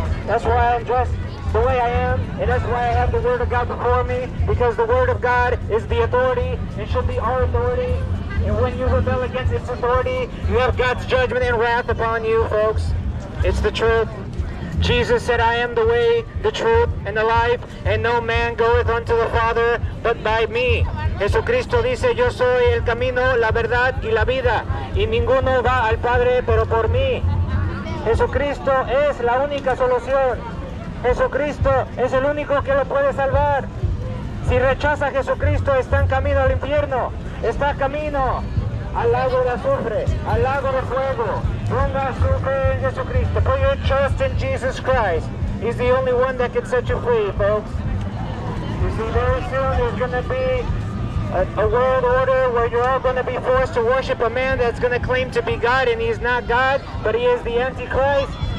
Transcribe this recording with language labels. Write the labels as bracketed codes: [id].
[en] That's why I'm dressed the way I am, and that's why I have the word of God before me, because the word of God is the authority and should be our authority. And when you rebel against its authority, you have God's judgment and wrath upon you, folks. It's the truth. Jesus said, I am the way, the truth, and the life, and no man goeth unto the Father but by me. [es] Jesucristo dice, yo soy el camino, la verdad, y la vida, y ninguno va al Padre pero por mí. Jesucristo es la única solución. Jesucristo es el único que lo puede salvar. Si rechaza a Jesucristo, está en camino al infierno. Está camino al lago de azufre, al lago de fuego. Ponga su fe en Jesucristo. [en] Put your trust in Jesus Christ. He's the only one that can set you free, folks. You see, very soon there's going to be a world order where you're all going to be forced to worship a man that's going to claim to be God, and he's not God, but he is the Antichrist.